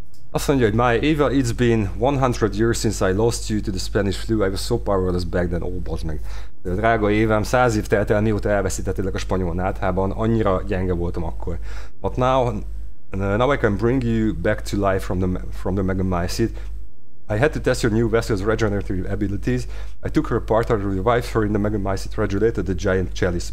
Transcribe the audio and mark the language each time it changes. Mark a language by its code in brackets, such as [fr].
[hu] Azt mondja, hogy [en] my Eva, it's been 100 years since I lost you to the Spanish flu. I was so powerless back then. [hu] Ó, bazd meg. Drága Évám, 100 év telt el, mióta elveszítettélek a spanyol náthában. Annyira gyenge voltam akkor. [en] But now I can bring you back to life from the megamycid. I had to test your new vessel's regenerative abilities. I took her apart and revived her in the megamycid regulated the giant chalice.